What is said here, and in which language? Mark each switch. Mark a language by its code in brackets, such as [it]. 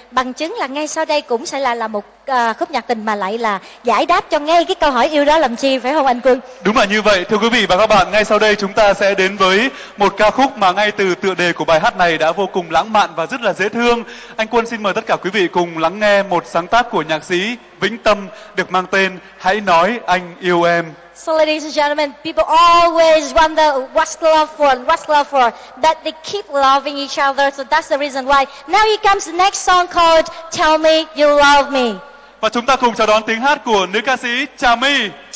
[vi] Bằng chứng là ngay sau đây cũng sẽ là một khúc nhạc tình mà lại là giải đáp cho ngay cái câu hỏi yêu đó làm chi, phải không anh Quân? Đúng là như vậy. Thưa quý vị và các bạn, ngay sau đây chúng ta sẽ đến với một ca khúc mà ngay từ tựa đề của bài hát này đã vô cùng lãng mạn và rất là dễ thương. Anh Quân xin mời tất cả quý vị cùng lắng nghe một sáng tác của nhạc sĩ Vĩnh Tâm được mang tên Hãy Nói Anh Yêu Em. [en] So ladies and gentlemen, people always wonder what's love for, that they keep loving each other, so that's the reason why. Now here comes the next song called Tell Me You Love Me. [vi] Và chúng ta cùng chào đón tiếng hát của nữ ca sĩ Trà My.